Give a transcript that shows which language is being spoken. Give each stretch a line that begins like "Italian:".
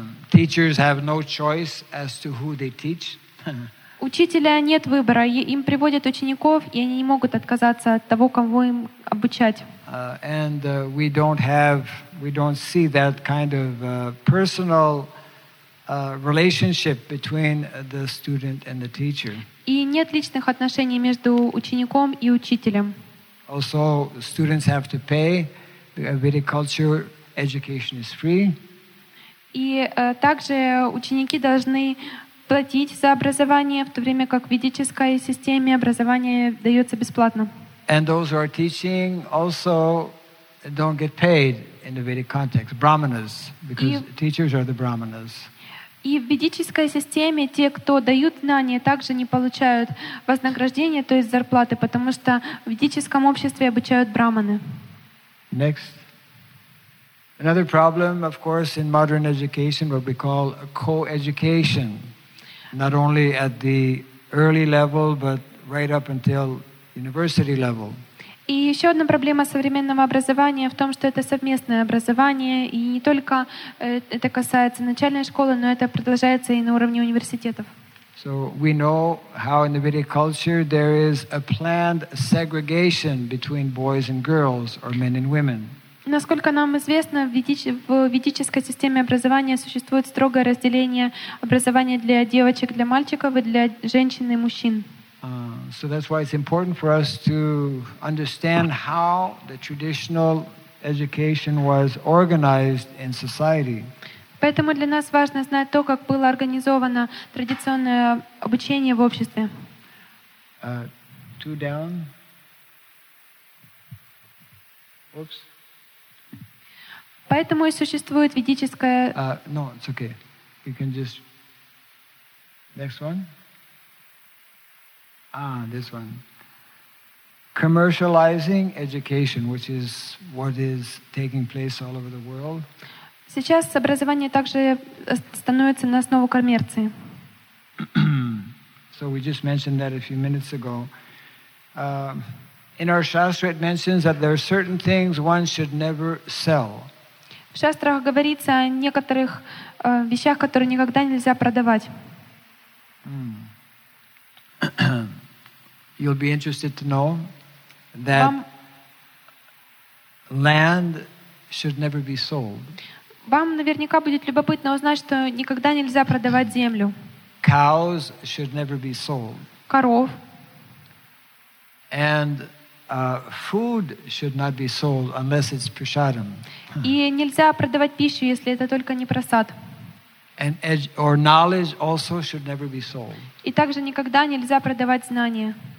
English: Teachers have no choice as to who they teach.
Russian: Учителя нет выбора, им приводят учеников, и они не могут отказаться от того, кого им обучать.
English: And we don't see that kind of personal relationship between the student and the teacher.
Russian: И нет личных отношений между учеником и учителем.
English: Also, students have to pay. In Vedic culture, education is free.
Russian: И также ученики должны платить за образование, в то время как в ведической системе образование дается бесплатно.
English: And those who are teaching also don't get paid in the Vedic context, brahmanas, because teachers are the brahmanas.
Russian: И в ведической системе те, кто дают знания, также не получают вознаграждения, то есть зарплаты, потому что в ведическом обществе обучают брахманы.
English: Next. Another problem, of course, in modern education, what we call co-education, not only at the early level, but right up until university level.
Russian: И еще одна проблема современного образования в том, что это совместное образование, и не только это касается начальной школы, но это продолжается и на уровне университетов.
English: So we know how in the Vedic culture there is a planned segregation between boys and girls or men and women.
Russian: Насколько нам известно, в ведической системе образования существует строгое разделение образования для девочек, для мальчиков и для женщин и мужчин.
English: So that's why it's important for us to understand how the traditional education was organized in society.
Russian: Поэтому для нас важно знать то, как было организовано традиционное обучение в обществе.
English: Two down. Oops.
Russian: Поэтому и существует ведическое...
English: No, it's okay. You can just... Next one. Ah, this one. Commercializing education, which is what is taking place all over the world.
Russian: Сейчас образование также становится на основу коммерции.
English: So we just mentioned that a few minutes ago. In our Shastra, it mentions that there are certain things one should never sell.
Russian: В Шастрах говорится о некоторых вещах, которые никогда нельзя продавать.
English: You'll be interested to know that land should never be sold.
Russian: Вам наверняка будет любопытно узнать, что никогда нельзя продавать землю.
English: Cows should never be sold.
Russian: Коров.
English: And food should not be sold unless it's prasadam.
Russian: И нельзя продавать пищу, если это только не прасад.
English: And or knowledge also should never be sold.
Russian: И также никогда нельзя продавать знания.